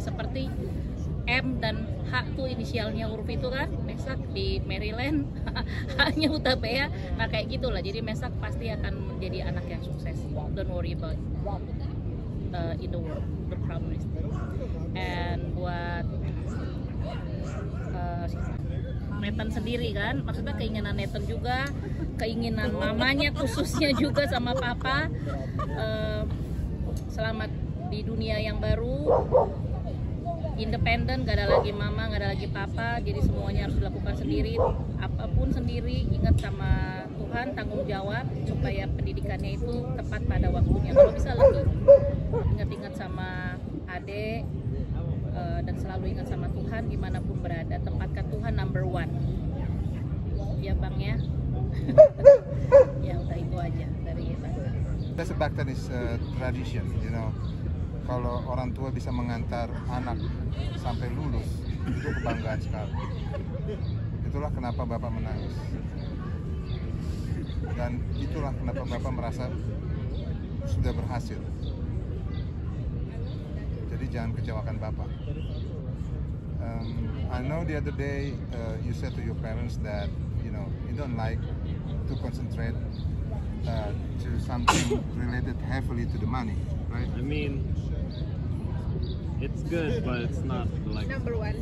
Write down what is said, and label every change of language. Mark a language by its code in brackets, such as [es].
[id] Seperti M dan H tuh inisialnya huruf itu kan, Mesak di Maryland, H-nya Utapea. Nah kayak gitulah, jadi Mesak pasti akan menjadi anak yang sukses. [en] Don't worry about in the world, the promise. [id] And buat Nathan sendiri kan, maksudnya keinginan Nathan juga, keinginan mamanya khususnya juga sama papa, selamat di dunia yang baru. Independent, gak ada lagi mama, gak ada lagi papa. Jadi semuanya harus dilakukan sendiri. Apapun sendiri, ingat sama Tuhan, tanggung jawab. Supaya pendidikannya itu tepat pada waktunya. Kalau bisa lebih, ingat-ingat sama adek. Dan selalu ingat sama Tuhan, dimanapun berada. Tempatkan Tuhan number one. Ya bang ya. Ya udah itu aja dari kita. [en] That's a back then is tradition, you know. [id] Kalau orang tua bisa mengantar anak sampai lulus, itu kebanggaan sekali. Itulah kenapa Bapak menangis. Dan itulah kenapa Bapak merasa sudah berhasil. Jadi jangan kecewakan Bapak. [en] I know the other day you said to your parents that, you know, you don't like to concentrate to something related heavily to the money, right? I mean, it's good, but it's not like number one.